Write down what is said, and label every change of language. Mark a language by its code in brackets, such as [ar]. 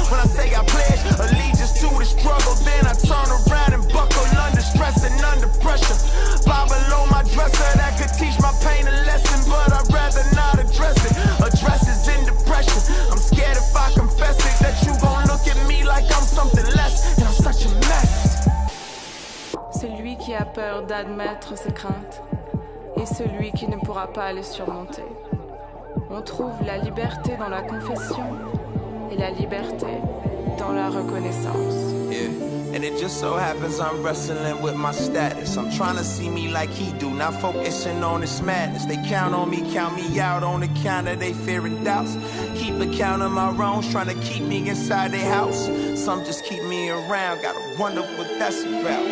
[en] When I say I pledge allegiance to the struggle, then I turn around and buckle under stress and under pressure. Bible on my dresser that could teach my pain a lesson, but I'd rather not address it. Addresses in depression. I'm scared if I confess it that you gon' look at me like I'm something less, and I'm such a mess. [fr] Celui qui a peur d'admettre ses craintes est celui qui ne pourra pas les surmonter. On trouve la liberté dans la confession et la liberté dans la reconnaissance. Yeah. [en] And it just so happens I'm wrestling with my status. I'm trying to see me like he do, not focusing on his madness. They count on me, count me out on the counter, they fear and doubts. Keep a count of my wrongs, trying to keep me inside their house. Some just keep me around, gotta wonder what that's about.